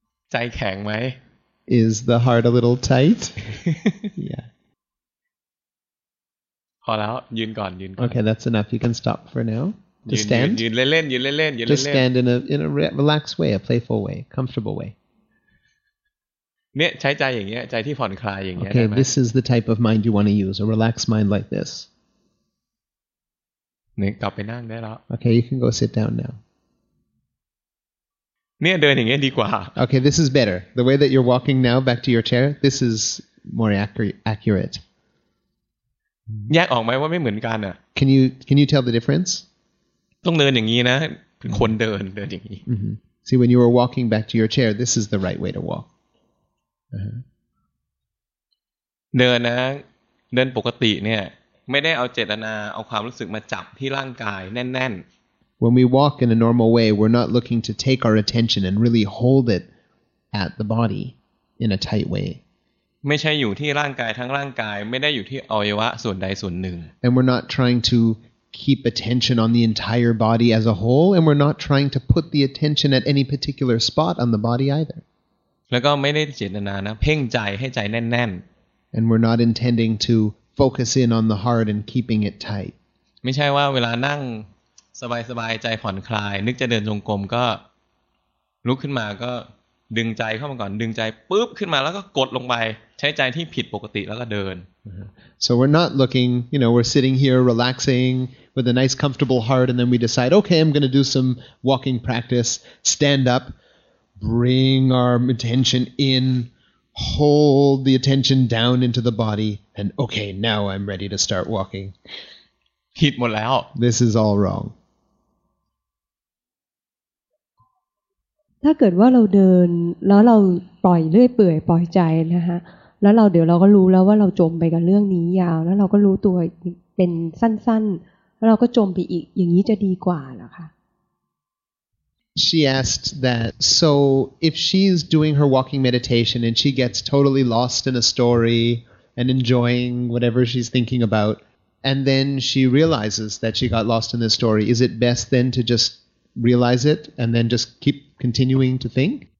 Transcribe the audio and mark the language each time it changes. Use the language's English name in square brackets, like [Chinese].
[Thai] ใจแข็งไหม [English] Is the heart a little tight? Yeah. [Thai] พอแล้วยืนก่อนยืนก่อน [English] Okay that's enough you can stop for now to [Thai] stand ยืนเล่นๆยืนเล่นๆยืนเล่นๆ [English] Just stand in a relaxed way a playful way comfortable way [Thai] เนี่ยใช้ใจอย่างเงี้ยใจที่ผ่อนคลายอย่างเงี้ย [English] Okay this is the type of mind you want to use a relaxed mind like this [Thai] เนี่ยกลับไปนั่งได้แล้ว [English] Okay you can go sit down now [Thai] เนี่ยเดินอย่างเงี้ยดีกว่า [English] Okay this is better the way that you're walking now back to your chair this is more accurate [Thai] แยกออกไหมว่าไม่เหมือนกันอ่ะ [English] Can you tell the difference? [Thai] ต้องเดินอย่างนี้นะเป็นคนเดินเดินอย่างนี้ mm-hmm. [English] See when you were walking back to your chair this is the right way to walk [Thai] เดินนะเดินปกติเนี่ยไม่ได้เอาเจตนาเอาความรู้สึกมาจับที่ร่างกายแน่น [English] ๆ When we walk in a normal way we're not looking to take our attention and really hold it at the body in a tight way [Thai] ไม่ใช่อยู่ที่ร่างกายทั้งร่างกายไม่ได้อยู่ที่อวัยวะส่วนใดส่วนหนึ่ง [English] And we're not trying to keep attention on the entire body as a whole and we're not trying to put the attention at any particular spot on the body either [Thai] แล้วก็ไม่ได้เจตนานะเพ่งใจให้ใจแน่น [English] ๆ And we're not intending to focus in on the heart and keeping it tight [Thai] ไม่ใช่ว่าเวลานั่งสบายๆใจผ่อนคลายนึกจะเดินจงกรมก็ลุกขึ้นมาก็ดึงใจเข้ามาก่อนดึงใจปุ๊บขึ้นมาแล้วก็กดลงไปใช้ใจที่ผิดปกติแล้วก็เดิน [English] So we're not looking you know we're sitting here relaxing with a nice comfortable heart and then we decide okay I'm going to do some walking practice stand up bring our attention in hold the attention down into the body and okay now I'm ready to start walking [Thai] ผิดหมดแล้ว [English] This is all wrong [Thai] ถ้าเกิดว่าเราเดินแล้วเราปล่อยเรื่อยเปื่อยปล่อยใจนะฮะแล้วเราเดี๋ยวเราก็รู้แล้วว่าเราจมไปกับเรื่องนี้ยาวแล้วเราก็รู้ตัวเป็นสั้นๆแล้วเราก็จมไปอีกอย่างนี้จะดีกว่าเหรอคะ [English] She asked that so if she's doing her walking meditation and she gets totally lost in a story and enjoying whatever she's thinking about and then she realizes that she got lost in the story is it best then to just realize it and then just keepcontinuing to think